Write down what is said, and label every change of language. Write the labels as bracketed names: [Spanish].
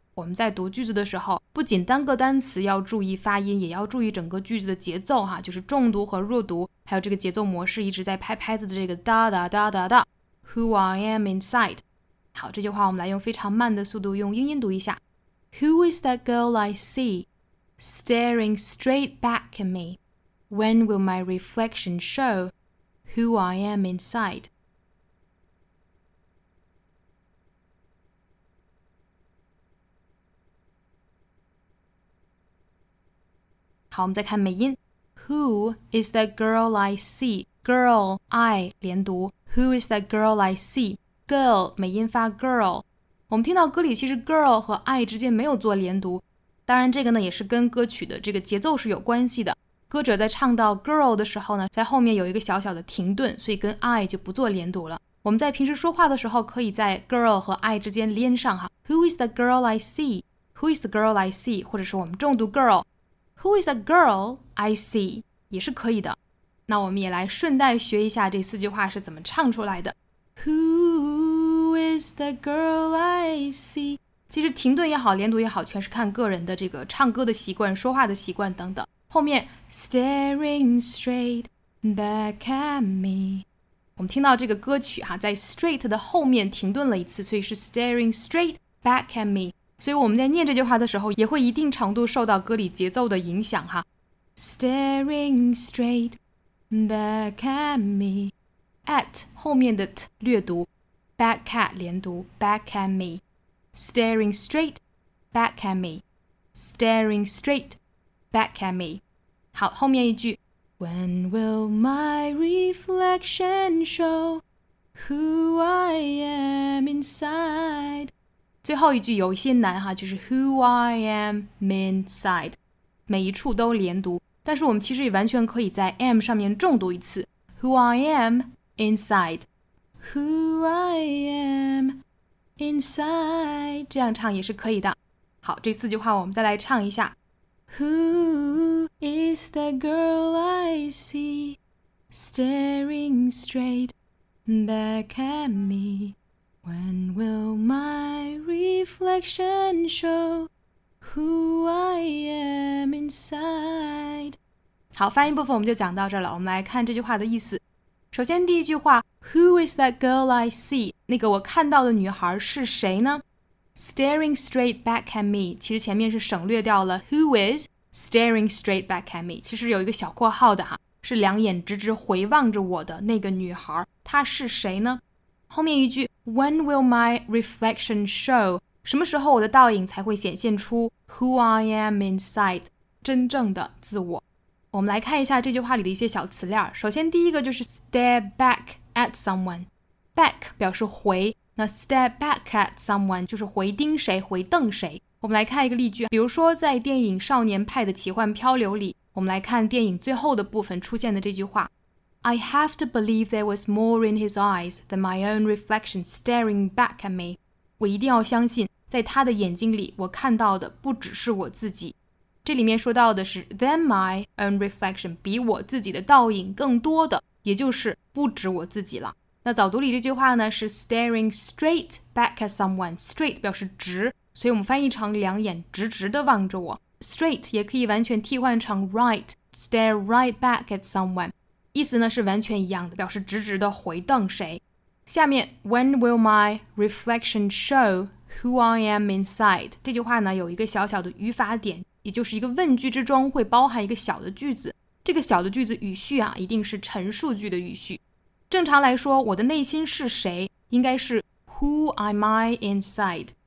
[Chinese] 我们在读句子的时候，不仅单个单词要注意发音，也要注意整个句子的节奏哈，就是重读和弱读，还有这个节奏模式一直在拍拍子的这个哒哒哒哒哒。 [English] Who I am inside. [Chinese] 好，这句话我们来用非常慢的速度用英音读一下。 [English] Who is that girl I see, staring straight back at me? When will my reflection show who I am inside? [Chinese] 好，我们再看美音。 [English] Who is that girl I see? Girl, I, 连读。Who is that girl I see? Girl, 美音发 girl。 [Chinese] 我们听到歌里其实 girl 和 I 之间没有做连读。当然这个呢也是跟歌曲的这个节奏是有关系的。歌者在唱到 girl 的时候呢，在后面有一个小小的停顿，所以跟 I 就不做连读了。我们在平时说话的时候可以在 girl 和 I 之间连上哈。 [English] Who is that girl I see? Who is the girl I see? [Chinese] 或者是我们重读 girl。 [English] Who is a girl I see? [Chinese] 也是可以的。那我们也来顺带学一下这四句话是怎么唱出来的。 [English] Who is the girl I see? [Chinese] 其实停顿也好，连读也好，全是看个人的这个唱歌的习惯，说话的习惯等等。 [English] 后面 staring straight back at me。 [Chinese] 我们听到这个歌曲哈，在 straight 的后面停顿了一次，所以是 [English] staring straight back at me。 [Chinese] 所以我们在念这句话的时候也会一定程度受到歌里节奏的影响哈。 [English] Staring straight back at me. At 后面的 t 略读 back at 连读 back at me. Staring straight back at me. Staring straight back at me. [Chinese] 好，后面一句 [English] When will my reflection show who I am inside? [Chinese] 最后一句有一些难哈，就是 [English] Who I am inside， [Chinese] 每一处都连读，但是我们其实也完全可以在 am 上面重读一次 Who I am inside， Who I am inside， 这样唱也是可以的。好，这四句话我们再来唱一下。 [English] Who is the girl I see staring straight back at me? When will my reflection show who I am inside? [Chinese] 好，发音部分我们就讲到这了。我们来看这句话的意思。首先，第一句话 [English] ，Who is that girl I see? [Chinese] 那个我看到的女孩是谁呢 ？ [English] Staring straight back at me. [Chinese] 其实前面是省略掉了 [English] Who is staring straight back at me? [Chinese] 其实有一个小括号的哈，是两眼直直回望着我的那个女孩，她是谁呢？ [English] 后面一句 When will my reflection show? [Chinese] 什么时候我的倒影才会显现出 [English] Who I am inside? [Chinese] 真正的自我。我们来看一下这句话里的一些小词链。 [English] 首先第一个就是 stare back at someone. [Chinese] Back 表示回，那 [English] stare back at someone [Chinese] 就是回盯谁，回瞪谁。我们来看一个例句，比如说在电影《少年派的奇幻漂流》里，我们来看电影最后的部分出现的这句话。 [English] I have to believe there was more in his eyes than my own reflection staring back at me. [Chinese] 我一定要相信在他的眼睛里我看到的不只是我自己。这里面说到的是 than my own reflection, 比我自己的倒影更多的，也就是不止我自己了。那早读里这句话呢是 [English] staring straight back at someone. [Chinese] Straight 表示直，所以我们翻译成两眼直直的望着我。 [English] Straight [Chinese] 也可以完全替换成 [English] right, stare right back at someone. [Chinese] 意思呢是完全一样的，表示直直的回瞪谁。 [English] 下面 When will my reflection show who I am inside? [Chinese] 这句话呢有一个小小的语法点，也就是一个问句之中会包含一个小的句子。这个小的句子语序啊一定是陈述句的语序。正常来说我的内心是谁应该是 [English] Who am I inside?